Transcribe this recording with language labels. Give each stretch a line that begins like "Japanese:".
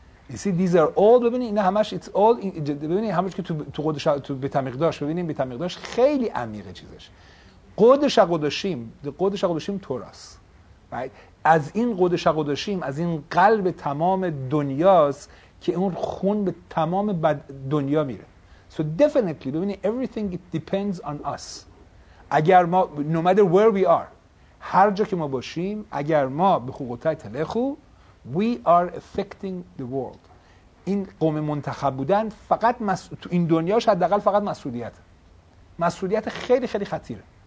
English: You see these are all
Persian: ببینید اینا همش
English: it's all
Persian: ببینید همش که تو قدس تو بیت المقدس ببینید بیت المقدس خیلی عمیقه چیزش. قدس قدسیم قدس قدسیم توراست.
English: Right.
Persian: از این قدس قدسیم از این قلب تمام دنیاست که اون خون به تمام دنیا میره.
English: So definitely
Persian: ببینید
English: everything it depends on us.
Persian: اگر ما
English: no matter where we are
Persian: هر جا که ما باشیم اگر ما به خوقوتای تلخو
English: we are affecting the world.
Persian: این قوم منتخب بودن فقط تو این دنیاش حداقل فقط مسئولیت مسئولیت خیلی خیلی خطیره.